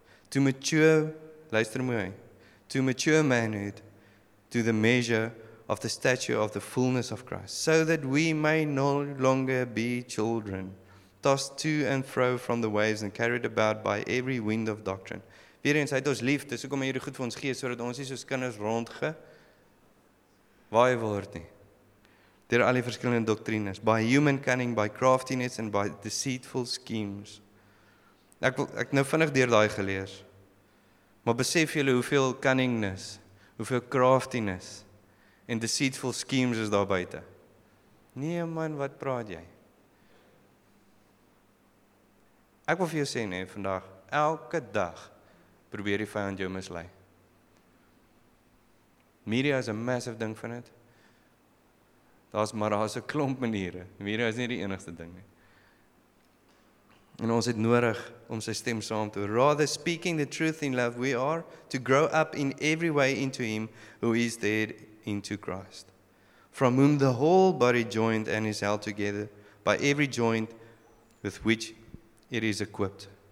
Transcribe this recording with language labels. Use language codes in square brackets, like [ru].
[en] To mature, [af] luister mooi, [en] to mature manhood, to the measure of the stature of the fullness of Christ, so that we may no longer be children, tossed to and fro from the waves and carried about by every wind of doctrine. [af] Weer eens, hy het ons lief, dis hoekom hy hierdie goed vir ons gee, sodat ons nie soos kinders rondge waai word nie. Deur al die verskillende doktrines, [en] by human cunning, by craftiness and by deceitful schemes. [af] Ek nou vinnig deur daai gelees. Maar besef julle hoeveel cunningness, hoeveel craftiness en deceitful schemes is daar buite. Nee man, wat praat jy? Ek wil vir jou sê nee, vandag, elke dag probeer die vyand jou mislei. Media is 'n massive ding van dit. Daar's 'n klomp maniere. Media is nie die enigste ding nie. En ons het nodig om sy stem saam te hoor. [en] Rather speaking the truth in love, we are to grow up in every way into him who is there into Christ. From whom the whole body joined and is held together by every joint with which it is equipped.